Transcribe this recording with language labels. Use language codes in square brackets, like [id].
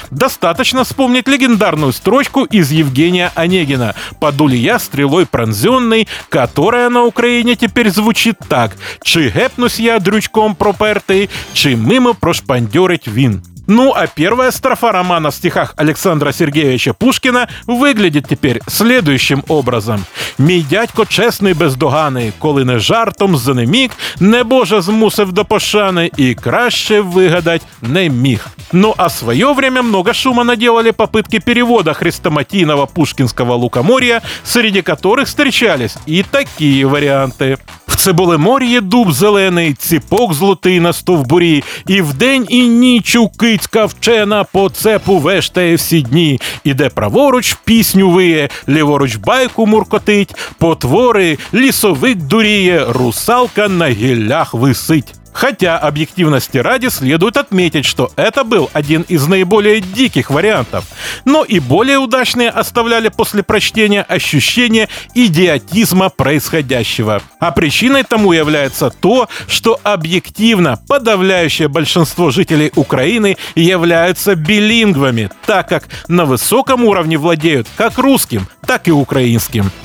[ru] Достаточно вспомнить легендарную строчку из Евгения Онегина «Паду ли я стрелой пронзенный», которая на Украине теперь звучит так: [uk] «Чи гепнусь я дрючком пропертий, чи мимо прошпандерить він». [ru] Ну а первая строфа романа в стихах Александра Сергеевича Пушкина выглядит теперь следующим образом. [uk] «Мій дядько чесний бездоганий, коли не жартом занемік, небоже змусив до пошани і краще вигадать не міг». [ru] Ну а в свое время много шума наделали попытки перевода хрестоматийного пушкинского «Лукоморья», среди которых встречались и такие варианты. [uk] «В цибулеморье дуб зелений, ціпок злотий на стовбурі, і в день і ніч у кицька вчена по цепу вештає всі дні, іде праворуч пісню виє, ліворуч байку муркотить, потвори лісовик дуріє, русалка на гіллях висить». [ru] Хотя объективности ради следует отметить, что это был один из наиболее диких вариантов. Но и более удачные оставляли после прочтения ощущение идиотизма происходящего. А причиной тому является то, что объективно подавляющее большинство жителей Украины являются билингвами, так как на высоком уровне владеют как русским, так и украинским.